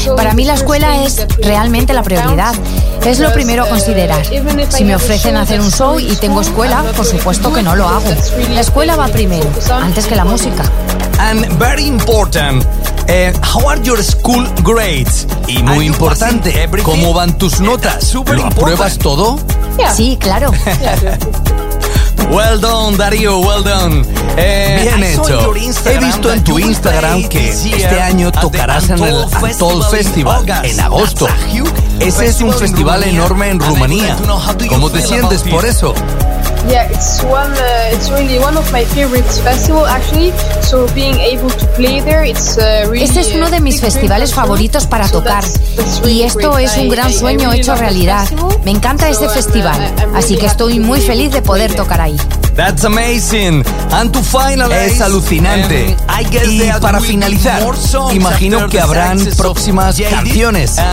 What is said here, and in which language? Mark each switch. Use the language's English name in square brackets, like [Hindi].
[Spanish] para mí la escuela es realmente la prioridad. Es lo primero a considerar. Si me ofrecen hacer un show y tengo escuela, por supuesto que no lo hago. La escuela va primero, antes que la música. [English] And very important, how are your school grades? [Spanish] Y muy importante, ¿cómo van tus notas? ¿Lo apruebas todo? Sí, claro. [English] Well done, Darío, well done. [Spanish] Bien hecho. He visto en tu Instagram que este año tocarás en el Atoll Festival en agosto. Ese es un festival enorme en Rumanía. ¿Cómo te sientes por eso? [English] Yeah, it's really one of my favorite festivals actually. So being able to play there, it's really. [Spanish] Este es uno de mis festivales favoritos para tocar. Y esto es un gran sueño hecho realidad. Me encanta este festival, así que estoy muy feliz de poder tocar ahí. [English] That's amazing. And to finalize, [Spanish] es alucinante. Y para finalizar, imagino que habrán próximas canciones.